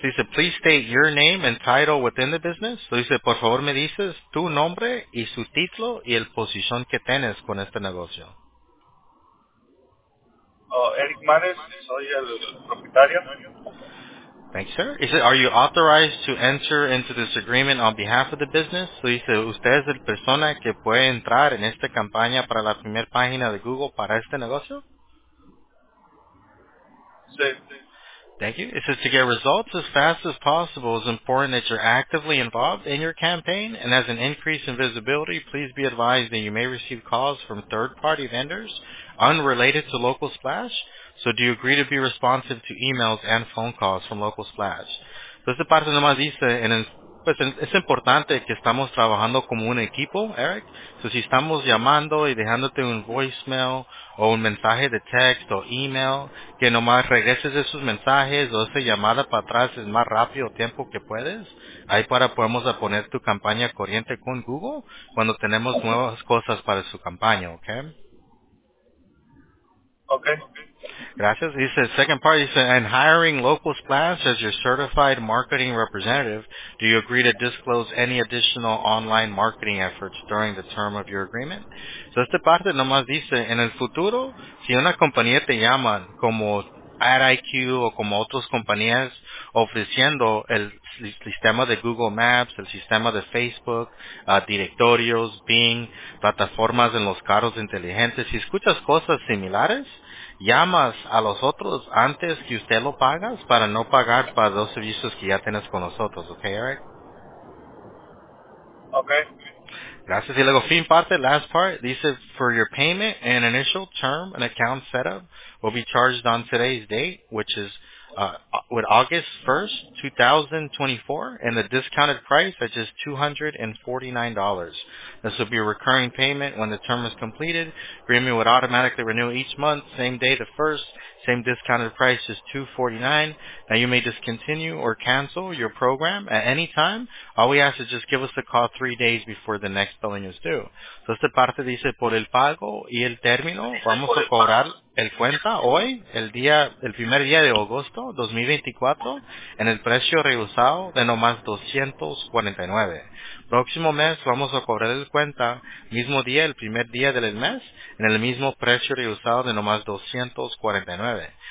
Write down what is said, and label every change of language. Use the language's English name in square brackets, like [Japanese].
[English] So [Spanish] dice, [English] please state your name and title within the business. [Spanish] So dice, por favor, me dices tu nombre y su título y el posición que tienes con este negocio. Eric Manes, soy el propietario. [English] Thanks, sir. He said, are you authorized to enter into this agreement on behalf of the business? So he said, [Spanish] usted es la persona que puede entrar en esta campaña para la primera página de Google para este negocio? Sí. [English] Thank you. He said, to get results as fast as possible, it's important that you're actively involved in your campaign, and as an increase in visibility, please be advised that you may receive calls from third-party vendors unrelated to Local Splash, so do you agree to be responsive to emails and phone calls from Local Splash? [Spanish] Entonces, de parte nomás dice, pues es importante que estamos trabajando como un equipo, Eric. So, si estamos llamando y dejándote un voicemail o un mensaje de texto o email, que nomás regreses esos mensajes o esa llamada para atrás es más rápido tiempo que puedes. Ahí para podemos poner tu campaña corriente con Google cuando tenemos nuevas cosas para su campaña, ¿ok? [English] Okay. [Spanish] Gracias. [English] He says, second part, he says, and hiring Local Splash as your certified marketing representative, do you agree to disclose any additional online marketing efforts during the term of your agreement? [Spanish] So, esta parte nomás dice, en el futuro, si una compañía te llama como AdIQ o como otras compañías ofreciendo el sistema de Google Maps, el sistema de Facebook, directorios, Bing, plataformas en los carros inteligentes, si escuchas cosas similares, llamas a los otros antes que usted lo pagas para no pagar para dos servicios que ya tienes con nosotros, ¿ok, Eric? [English] Ok. [Spanish] Gracias. Y luego, fin parte, [English] last part, [Spanish] dice, [English] for your payment, an initial term, an account setup will be charged on today's date, which is with August 1st, 2024, and the discounted price is just $249. This will be a recurring payment when the term is completed. Agreement would automatically renew each month, same day the first, same discounted price is $249. Now you may discontinue or cancel your program at any time. All we ask is just give us a call 3 days before the next billing is due. [Spanish] So esta parte dice, por el pago y el término, vamos a cobrar el cuenta hoy, el primer día de agosto 2024, en el precio rehusado de nomás $249. Próximo mes vamos a cobrar el cuenta, mismo día, el primer día del mes, en el mismo precio rehusado de nomás $249.